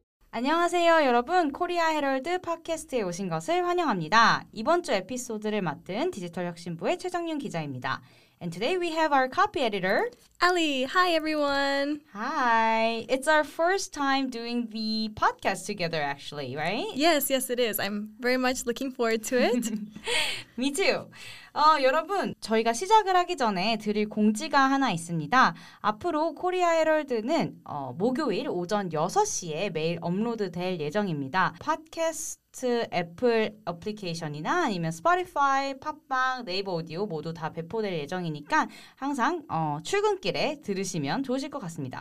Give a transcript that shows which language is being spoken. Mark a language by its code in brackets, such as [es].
[ko] 안녕하세요, 여러분. 코리아 헤럴드 팟캐스트에 오신 것을 환영합니다. 이번 주 에피소드를 맡은 디지털 혁신부의 최정윤 기자입니다. [en] And today we have our copy editor, Ali. Hi, everyone. Hi. It's our first time doing the podcast together, actually, right? Yes, yes, it is. I'm very much looking forward to it. Me too. [ko] 여러분, 저희가 시작을 하기 전에 드릴 공지가 하나 있습니다. 앞으로 코리아 헤럴드는 목요일 오전 6시에 매일 업로드 될 예정입니다. 팟캐스트 애플 어플리케이션이나 아니면 스포티파이, 팟빵, 네이버 오디오 모두 다 배포될 예정이니까 항상 출근길에 들으시면 좋으실 것 같습니다.